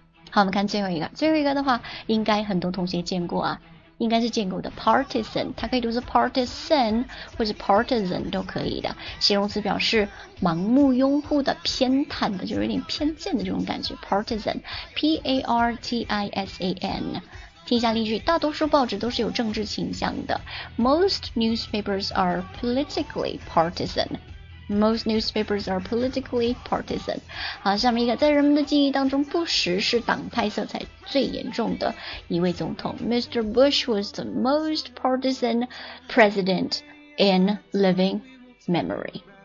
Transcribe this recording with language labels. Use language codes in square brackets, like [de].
[zh] 好，我们看最后一个，最后一个的话应该很多同学见过啊，应该是见过的 partisan， 它可以读作 partisan 或者 partisan 都可以的，形容词表示盲目拥护的，偏袒的，就是有点偏见的这种感觉， partisan， P-A-R-T-I-S-A-N。听一下例句，大多数报纸都是有政治倾向的， [en] most newspapers are politically partisan， [zh] most newspapers are politically partisan。好，下面一个，在人们的记忆当中，布什是党派色彩最严重的一位总统， Mr. [en] Bush was the most partisan president in living memory。